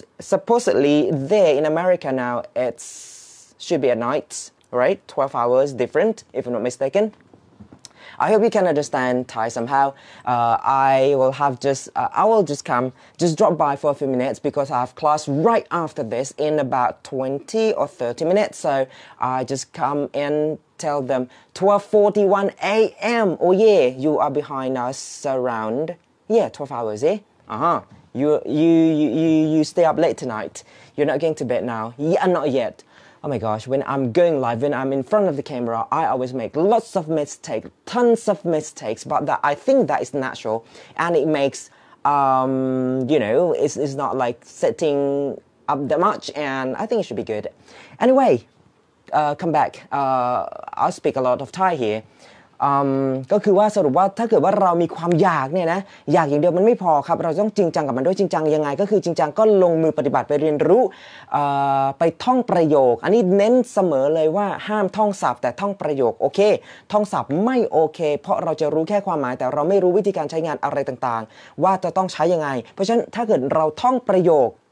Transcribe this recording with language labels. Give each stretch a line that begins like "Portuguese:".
English: supposedly there in America now it's should be a night right 12 hours different if I'm not mistaken I hope you can understand Thai somehow I will just come just drop by for a few minutes because I have class right after this in about 20 or 30 minutes so I just come and tell them 12:41 a.m. oh yeah you are behind us around yeah 12 hours eh uh-huh you stay up late tonight you're not going to bed now yeah not yet Oh my gosh, when I'm going live, when I'm in front of the camera, I always make lots of mistakes, tons of mistakes, but that I think that is natural and it makes, you know, it's not like setting up that much and I think it should be good. Anyway, come back. I speak a lot of Thai here.
Thai: ก็คือว่าสรุปว่าถ้าเกิดว่าเรามีความอยากเนี่ยนะอยากอย่างเดียวมันไม่พอครับเราต้องจริงจังกับมันด้วยจริงจังยังไงก็คือจริงจังก็ลงมือปฏิบัติไปเรียนรู้ไปท่องประโยคอันนี้เน้นเสมอเลยว่าห้ามท่องศัพท์แต่ท่องประโยคโอเคท่องศัพท์ไม่โอเคเพราะเราจะรู้แค่ความหมายแต่เราไม่รู้วิธีการใช้งานอะไรต่างๆว่าจะต้องใช้ยังไงเพราะฉะนั้นถ้าเกิดเราท่องประโยค